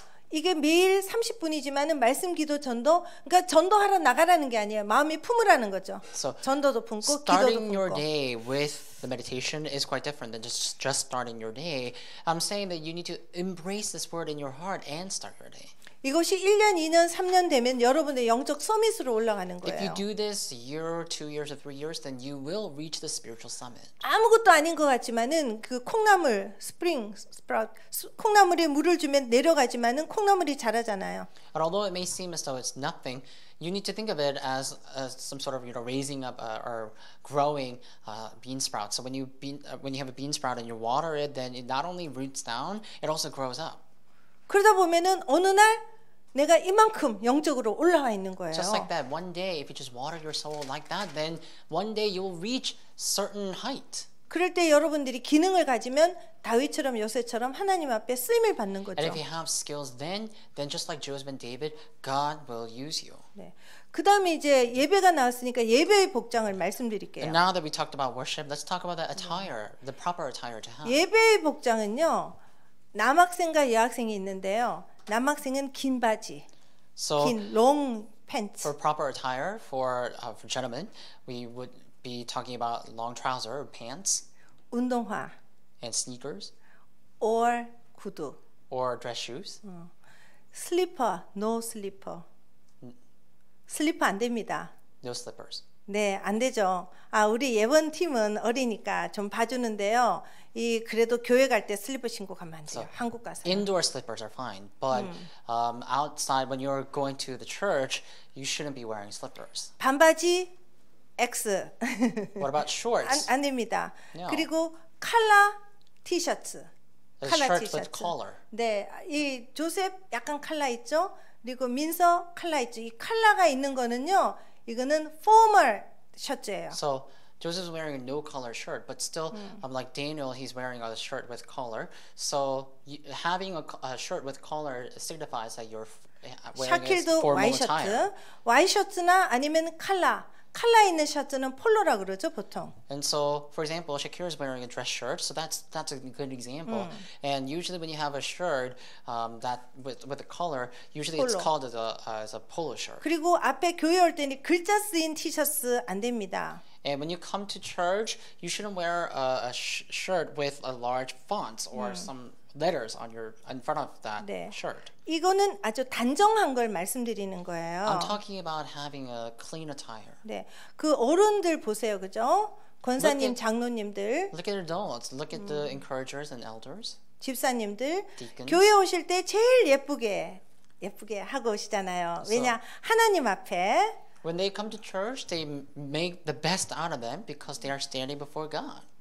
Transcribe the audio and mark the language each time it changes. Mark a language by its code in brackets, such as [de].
[ko] 이게 매일 30분이지만은 말씀 기도 전도 그러니까 전도하러 나가라는 게 아니에요. 마음이 품으라는 거죠. [en] So, [ko] 전도도 품고 기도도 품고. [en] Starting your day with the meditation is quite different than just starting your day. I'm saying that you need to embrace this word in your heart and start your day. [ko] 이것이 1년, 2년, 3년 되면 여러분의 영적 서밋으로 올라가는 거예요. [en] If you do this year, 2 years, or 3 years, then you will reach the spiritual summit. [ko] 아무것도 아닌 것 같지만은 그 콩나물, [en] spring, sprout, [ko] 콩나물에 물을 주면 내려가지만은 콩나물이 자라잖아요. [en] But although it may seem as though it's nothing, you need to think of it as some sort of you know raising up or growing bean sprout. So when you have a bean sprout and you water it, then it not only roots down, it also grows up. [ko] 그러다 보면은 어느 날 내가 이만큼 영적으로 올라와 있는 거예요. [en] Just like that, one day, if you just water your soul like that, then one day you will reach certain height. [ko] 그럴 때 여러분들이 기능을 가지면 다윗처럼 요새처럼 하나님 앞에 쓰임을 받는 거죠. [en] And if you have skills, then just like Joseph and David, God will use you. 네. [ko] 그다음에 이제 예배가 나왔으니까 예배의 복장을 말씀드릴게요. [en] And now that we talked about worship, let's talk about the attire, the proper attire to have. [ko] 예배의 복장은요. 남학생과 여학생이 있는데요. 남학생은 긴 바지, [en] so, 긴 long pants. For proper attire for gentlemen, we would be talking about long trousers or pants. [ko] 운동화. [en] And sneakers. [ko] Or 구두. [en] or dress shoes. 슬리퍼, no slipper. [ko] 슬리퍼 안 됩니다. [en] No slippers. [ko] 네, 안 되죠. 아, 우리 예원 팀은 어리니까 좀 봐주는데요. 이 그래도 교회 갈 때 슬리퍼 신고 가면 안 돼요. So, 한국 가서. [en] Indoor slippers are fine, but outside when you're going to the church, you shouldn't be wearing slippers. [ko] 반바지 X. [en] What about shorts? [ko] 안 됩니다. No. 그리고 컬러 티셔츠. [en] Color shirt with collar. [ko] 네, 이 조셉 약간 컬러 있죠. 그리고 민서 컬러 있죠. 이 컬러가 있는 거는요. 이거는 formal 셔츠예요. [en] So Joseph's wearing a no collar shirt, but still, like Daniel, he's wearing a shirt with collar. So having a shirt with collar signifies that you're wearing a formal attire. [ko] 와이셔츠나 아니면 컬러. 컬러 있는 셔츠는 폴로라 그러죠 보통. [en] And so, for example, Shakira is wearing a dress shirt, so that's a good example. And usually, when you have a shirt that with a collar, usually 폴로. It's called as a polo shirt. [ko] 그리고 앞에 교회 올 때는 글자 쓰인 티셔츠 안 됩니다. [en] And when you come to church, you shouldn't wear a shirt with a large font or some letters on your in front of that 네. shirt. [ko] 이거는 아주 단정한 걸 말씀드리는 거예요. [en] I'm talking about having a clean attire. [ko] 네. 그 어른들 보세요. 그죠? 권사님, 장로님들. [en] Look at adults. Look at the encouragers and elders. [ko] 집사님들. [en] Deacons. [ko] 교회 오실 때 제일 예쁘게 하고 오시잖아요. 왜냐? So, 하나님 앞에. [en] When they come to church, they make the best out of them because they are standing before God.